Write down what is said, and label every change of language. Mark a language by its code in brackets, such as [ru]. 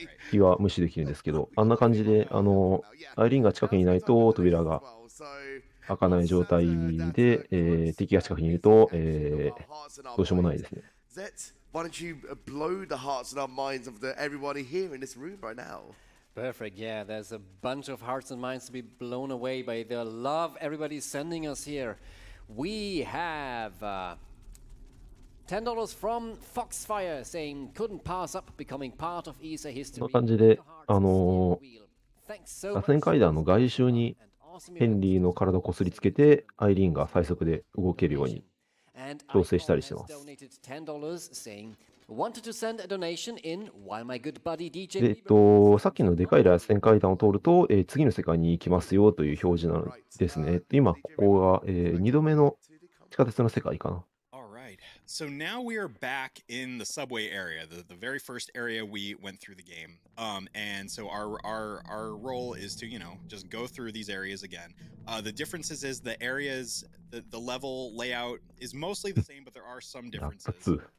[ja] 火は無視できるんですけど、あんな感じで、アイリーンが近くにいないと扉が開かない状態で、敵が近くにいると、どうしようもないですね。 [en] Zet, why don't you blow the hearts and our minds of everybody here in this room right now? Perfect, yeah, there's a bunch of hearts and minds to be blown away by the love everybody's sending us here. We have $10 from Foxfire saying couldn't pass up becoming part of ESA history. [ja] こんな感じで、螺旋階段の外周にヘンリーの体をこすりつけて、アイリーンが最速で動けるように調整したりしてます。 [en] Wanted to send a donation in while my good buddy DJ [ja] で、さっきのでかい螺旋階段を通ると、次の世界に行きますよという表示なんですね。今ここが、2度目の地下鉄の世界かな。 [en] Alright, so now we are back in the subway area, the very first area we went through the game. And so our role is to, you know, just go through these areas again. The differences is the areas, the level layout is mostly the same, but there are some differences.